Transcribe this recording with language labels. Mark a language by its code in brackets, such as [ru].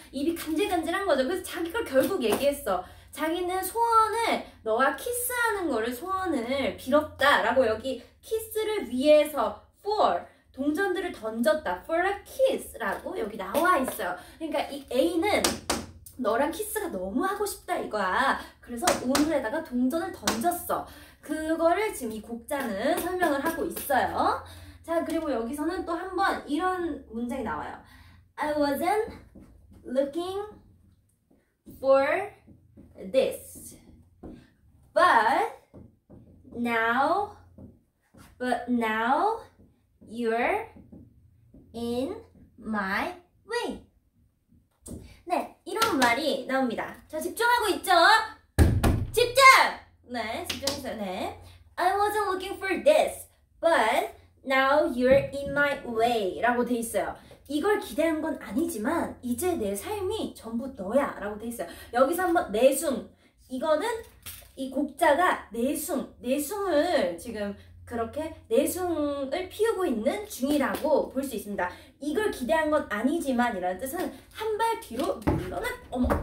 [ko] 입이 간질간질한 거죠. 그래서 자기 걸 결국 얘기했어. 자기는 소원을 너와 키스하는 거를 소원을 빌었다 라고 여기 키스를 위해서 for 동전들을 던졌다 [en] for a kiss [ko] 라고 여기 나와 있어요. 그러니까 이 A는 너랑 키스가 너무 하고 싶다 이거야. 그래서 우물에다가 동전을 던졌어. 그거를 지금 이 곡자는 설명을 하고 있어요. 자, 그리고 여기서는 또 한번 이런 문장이 나와요. [en] I wasn't looking for this but now you're in my way. [ko] 네, 이런 말이 나옵니다. 자, 집중하고 있죠? 집중! 네, 집중했어요. 네. [en] I wasn't looking for this, but now you're in my way [ko] 라고 돼 있어요. 이걸 기대한 건 아니지만 이제 내 삶이 전부 너야 라고 돼 있어요. 여기서 한번 내숭. 이거는 이 곡자가 내숭, 내숭을 지금 그렇게 내숭을 피우고 있는 중이라고 볼 수 있습니다. 이걸 기대한 건 아니지만 이라는 뜻은 한 발 뒤로 물러났, 어머.